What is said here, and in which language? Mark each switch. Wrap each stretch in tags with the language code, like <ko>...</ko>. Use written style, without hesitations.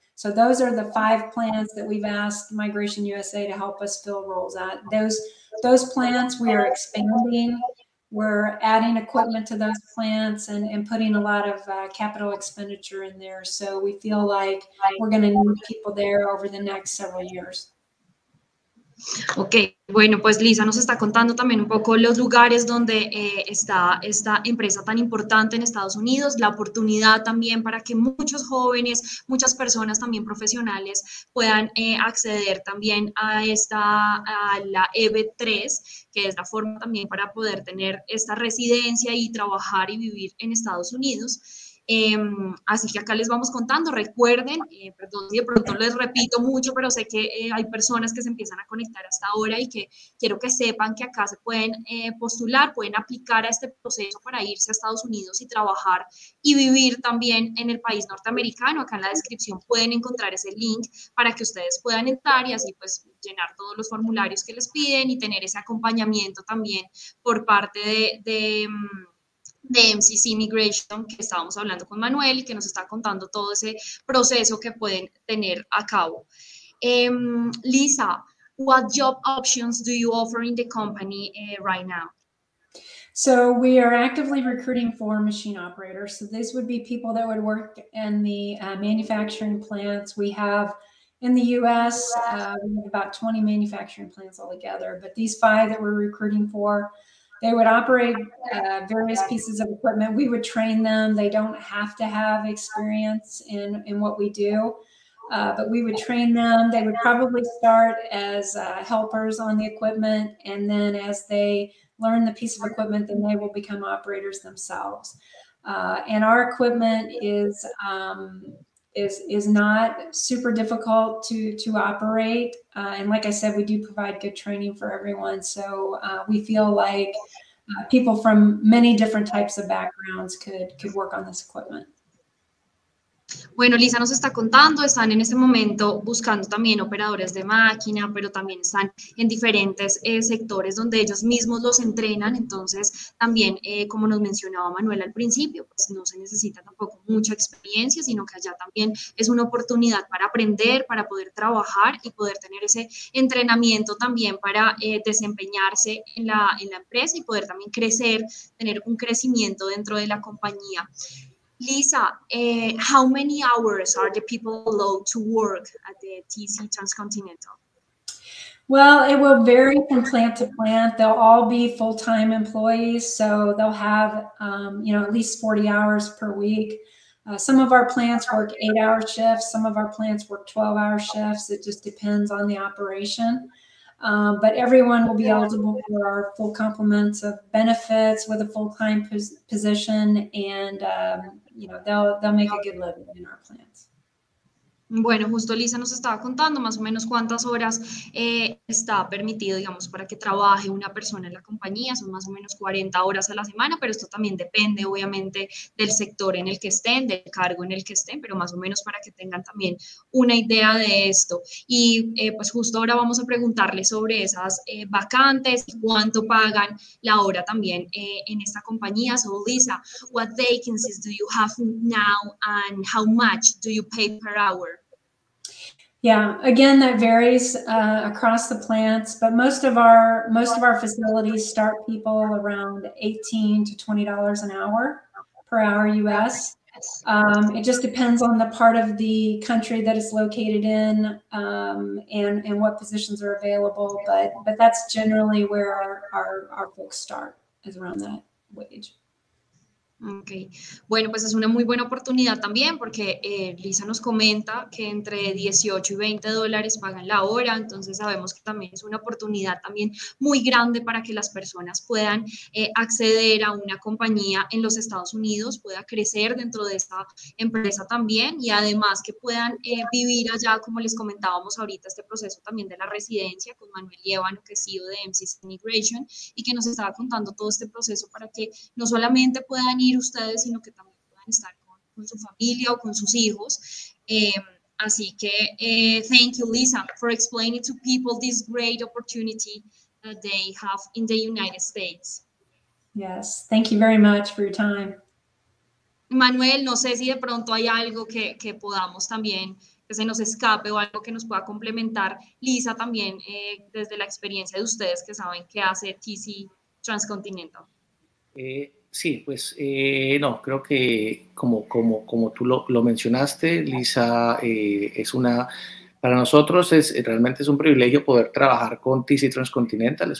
<en>So those are the five plants that we've asked Migration USA to help us fill roles at. Those plants, we are expanding. We're adding equipment to those plants and putting a lot of capital expenditure in there. So we feel like we're going to need people there over the next several years.</en> <es>Ok, bueno, pues Lisa nos está contando también un poco los lugares donde está esta empresa tan importante en Estados Unidos, la oportunidad también para que muchos jóvenes, muchas personas también profesionales puedan acceder también a la EB3, que es la forma también para poder tener esta residencia y trabajar y vivir en Estados Unidos. Así que acá les vamos contando, recuerden, perdón si de pronto les repito mucho, pero sé que hay personas que se empiezan a conectar hasta ahora y que quiero que sepan que acá se pueden postular, pueden aplicar a este proceso para irse a Estados Unidos y trabajar y vivir también en el país norteamericano. Acá en la descripción pueden encontrar ese link para que ustedes puedan entrar y así pues llenar todos los formularios que les piden y tener ese acompañamiento también por parte de MCC Immigration, que estábamos hablando con Manuel y que nos está contando todo ese proceso que pueden tener a cabo.</es> <en>Lisa, what job options do you offer in the company right now? So we are actively recruiting for machine operators. So these would be people that would work in the manufacturing plants we have in the US. We have about 20 manufacturing plants altogether, but these five that we're recruiting for, they would operate various pieces of equipment. We would train them. They don't have to have experience in what we do, but we would train them. They would probably start as helpers on the equipment, and then as they learn the piece of equipment, then they will become operators themselves. And our equipment is not super difficult to operate. And like I said, we do provide good training for everyone. So we feel like people from many different types of backgrounds could work on this equipment.</en> <es>Bueno, Lisa nos está contando, están en este momento buscando también operadores de máquina, pero también están en diferentes sectores donde ellos mismos los entrenan. Entonces, también, como nos mencionaba Manuel al principio, pues no se necesita tampoco mucha experiencia, sino que allá también es una oportunidad para aprender, para poder trabajar y poder tener ese entrenamiento también para desempeñarse en la empresa y poder también crecer, tener un crecimiento dentro de la compañía.</es> <en>Lisa, how many hours are the people allowed to work at the TC Transcontinental? Well, it will vary from plant to plant. They'll all be full-time employees, so they'll have at least 40 hours per week. Some of our plants work 8-hour shifts. Some of our plants work 12-hour shifts. It just depends on the operation. But everyone will be eligible for our full complements of benefits with a full-time position, and they'll make a good living in our plants.</en> <es>Bueno, justo Lisa nos estaba contando más o menos cuántas horas está permitido, digamos, para que trabaje una persona en la compañía. Son más o menos 40 horas a la semana, pero esto también depende, obviamente, del sector en el que estén, del cargo en el que estén, pero más o menos para que tengan también una idea de esto. Y pues justo ahora vamos a preguntarle sobre esas vacantes y cuánto pagan la hora también en esta compañía.</es> <en>So, Lisa, what vacancies do you have now and how much do you pay per hour? Yeah, again, that varies across the plants, but most of our facilities start people around $18 to $20 an hour per hour US. It just depends on the part of the country that it's located in and what positions are available, but that's generally where our folks start, is around that wage.</en> <es>Ok, bueno, pues es una muy buena oportunidad también porque Lisa nos comenta que entre 18 y 20 dólares pagan la hora, entonces sabemos que también es una oportunidad también muy grande para que las personas puedan acceder a una compañía en los Estados Unidos, pueda crecer dentro de esta empresa también y además que puedan vivir allá, como les comentábamos ahorita, este proceso también de la residencia con Manuel Llevano, que es CEO de MCC Immigration y que nos estaba contando todo este proceso para que no solamente puedan ir ustedes, sino que también puedan estar con su familia o con sus hijos. Así que,</es> <en>thank you, Lisa, for explaining to people this great opportunity that they have in the United States. Yes, thank you very much for your time.</en> <es>Manuel, no sé si de pronto hay algo que podamos también, que se nos escape o algo que nos pueda complementar, Lisa, también desde la experiencia de ustedes que saben qué hace TC Transcontinental. Sí, pues no, creo que como tú lo mencionaste, Lisa, es una, para nosotros es realmente es un privilegio poder trabajar con TC Transcontinental.</es>